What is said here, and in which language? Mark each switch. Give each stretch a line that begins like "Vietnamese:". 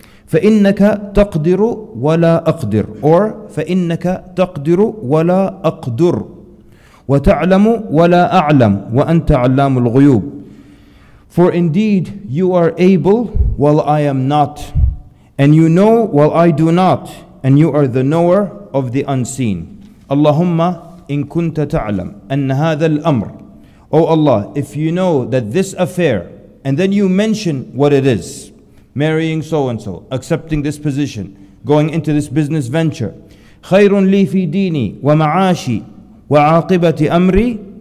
Arabic: فَإِنَّكَ تَقْدِرُ وَلَا أَقْدِرُ. Or فَإِنَّكَ تَقْدِرُ وَلَا أَقْدُرُ وَتَعْلَمُ وَلَا أَعْلَمُ وَأَنْتَ عَلَّامُ الْغُيُوبِ.
English: For indeed you are able while I am not, and you know while I do not, and you are the knower of the unseen.
Arabic: اللهم إن كنت تعلم أن هذا الأمر.
English: O Allah, if you know that this affair, and then you mention what it is, marrying so-and-so, accepting this position, going into this business venture,
Arabic: خير لي في ديني ومعاشي وعاقبة أمري.